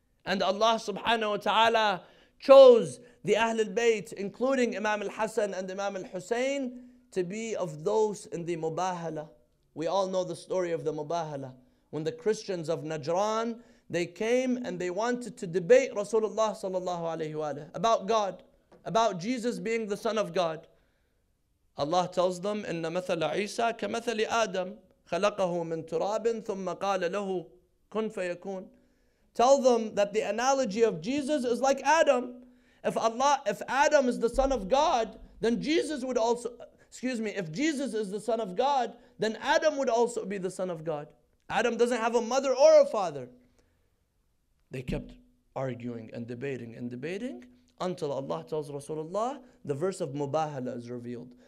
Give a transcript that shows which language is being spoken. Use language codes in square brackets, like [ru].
[en] And Allah subhanahu wa ta'ala chose the Ahlul Bayt, including Imam al-Hasan and Imam al-Husayn, to be of those in the Mubahala. We all know the story of the Mubahala. When the Christians of Najran, they came and they wanted to debate Rasulullah sallallahu alayhi wa alayhi about God. about Jesus being the Son of God. Allah tells them, [ar] إن مثل عيسى كمثل آدم خلقه من تراب ثم قال له كن فيكون. [en] Tell them that the analogy of Jesus is like Adam. If Adam is the Son of God, then Jesus would also, excuse me, if Jesus is the Son of God, then Adam would also be the Son of God. Adam doesn't have a mother or a father. They kept arguing and debating and debating until Allah tells Rasulullah, the verse of Mubahala is revealed.